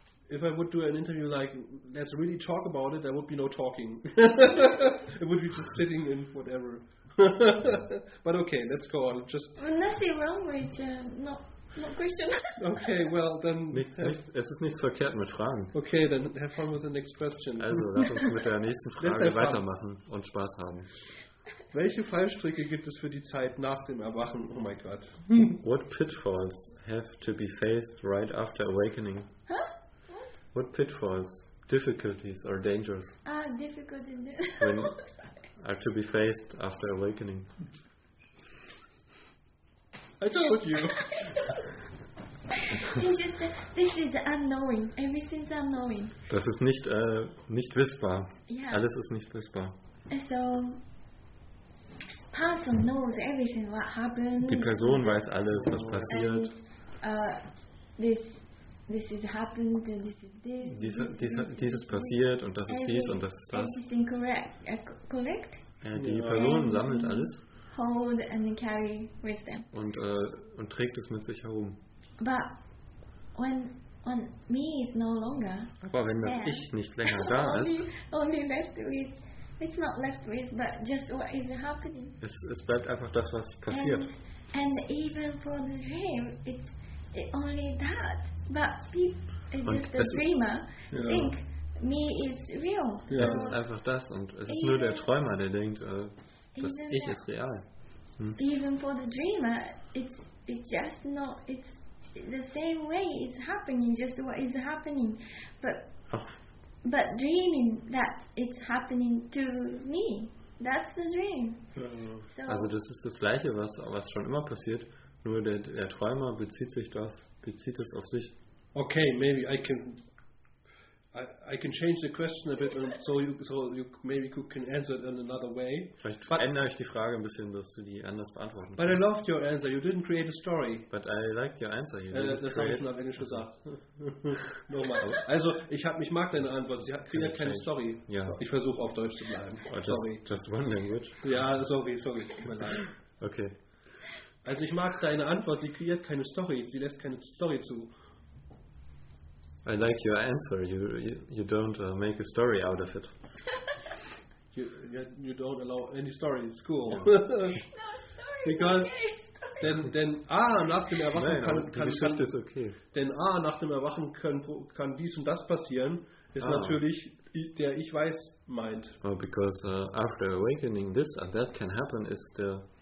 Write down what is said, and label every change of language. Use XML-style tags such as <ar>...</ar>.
<en>If I would do an interview like let's really talk about it, there would be no talking. It would be just sitting in whatever. But okay, let's go on. Just nothing wrong with not question. Okay, well then.</en> <de>Es ist nichts verkehrt mit Fragen.</de> <en>Okay, then have fun with the next question.</en> <de>Also lass uns mit der nächsten Frage weitermachen und Spaß haben. Welche Fallstricke gibt es für die Zeit nach dem Erwachen?</de> <en>Oh my God. What pitfalls have to be faced right after awakening? Huh? What pitfalls, difficulties or dangers? Difficulties. Are to be faced after awakening. I told you. It's just this is unknowing. Everything's unknowing.</en> <de>Das ist nicht nicht wissbar.</de> <en>Yeah.</en> <de>Alles ist nicht wissbar.</de> <en>So, person knows everything what happened.</en> <de>Die Person weiß alles, was passiert.</de> <en>This is happened, this is this.</en> <de>Dieses passiert und das ist dies und das ist das.</de> <en>Everything collect.</en> <de>Die Person sammelt alles.</de> <en>Hold and carry with them.</en> <de>Und trägt es mit sich herum.</de> <en>But when me is no longer.</en> <de>Aber wenn das Ich nicht länger da ist.</de> <en>Only left with. It's not left with, but just what is happening.</en> <de>Es bleibt einfach das, was passiert.</de> <en>And even for the dream, it's. Only that, but people just a dreamer think me is real.</en> <de>Ja. So es ist einfach das und es ist nur der Träumer, der denkt, dass ich ist real.</de> <en>Even for the dreamer, it's just not, it's the same way it's happening, just what is happening. But dreaming that it's happening to me, that's the dream.</en> <de>Also das ist das Gleiche, was schon immer passiert. Nur der Träumer bezieht es auf sich.</de> <en>Okay, maybe I can change the question a bit and so you maybe you can answer it in another way.</en> <de>Vielleicht verändere ich die Frage ein bisschen, dass du die anders beantworten kannst.</de> <en>But I loved your answer. You didn't create a story. But I liked your answer.</en> <de>Das habe ich schon auf Englisch gesagt. Nochmal. Also ich mag deine Antwort. Sie kreiert keine Story. Ja. Ich versuche auf Deutsch zu bleiben. Sorry.</de> <en>Just one language.</en> <de>Ja, sorry. Tut mir leid.</de> <en>Okay.</en> <de>Also ich mag deine Antwort, sie kreiert keine Story, sie lässt keine Story zu.</de> <en>I like your answer, you don't make a story out of it. You don't allow any story, it's cool. No story, because</en> <de>Denn A, nach dem Erwachen kann dies und das passieren, ist natürlich der Ich-Weiß-Mind.</de> <en>Well, because after awakening, this and that can happen is the</en>